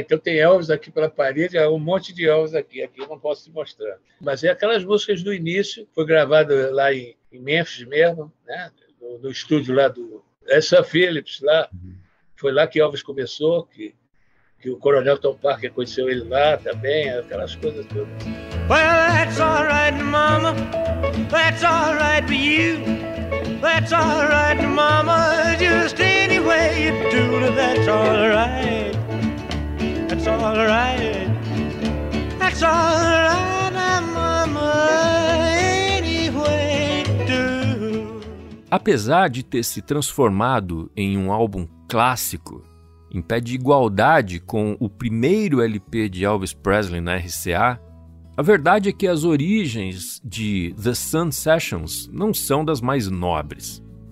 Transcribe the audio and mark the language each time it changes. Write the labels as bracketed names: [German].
[Portuguese] Então tem Elvis aqui pela parede, há um monte de Elvis aqui eu não posso te mostrar. Mas é aquelas músicas do início, foi gravado lá em Memphis mesmo, né? No estúdio lá do Sam Phillips, lá. Foi lá que Elvis começou, que o Coronel Tom Parker conheceu ele lá também, aquelas coisas todas. [English] Well, that's all right, mama, that's all right for you. That's all right, mama, just any way you do. That's all right, that's all right. That's all right, mama, any way you do. [Portuguese] Apesar de ter se transformado em um álbum clássico, em pé de igualdade com o primeiro LP de Elvis Presley na RCA, a verdade é que as origens de The Sun Sessions não são das mais nobres.